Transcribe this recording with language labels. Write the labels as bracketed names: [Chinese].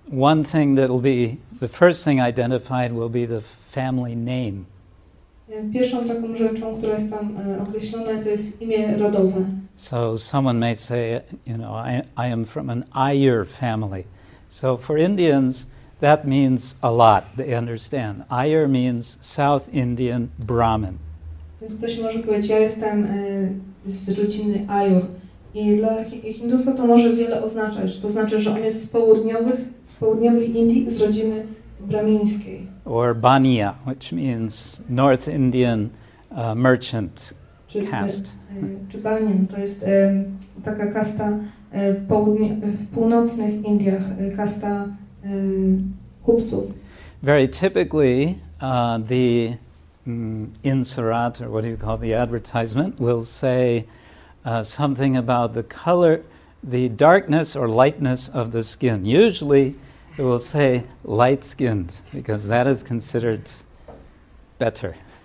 [English] One thing that will be, the first thing identified will be the family name. [Polish] Pierwszą taką rzeczą, która jest tam określona, to jest imię rodowe. [English] So someone may say, you know, I am from an Iyer family. So for Indians, that means a lot, they understand. Iyer means South Indian Brahmin. [Polish] Więc ktoś może powiedzieć, ja jestem z rodziny Iyer. I dla Hindusa to może wiele oznaczać. To znaczy, że on jest z południowych Indii, z rodziny brahmińskiej. [English] Or Baniya, which means North Indian merchant caste. [Polish] Czy Banyan, to jest taka kasta w północnych Indiach, kasta kupców. [English] Very typically, the insert, or what do you call the advertisement, will say something about the color, the darkness or lightness of the skin. Usually, it will say light-skinned, because that is considered better,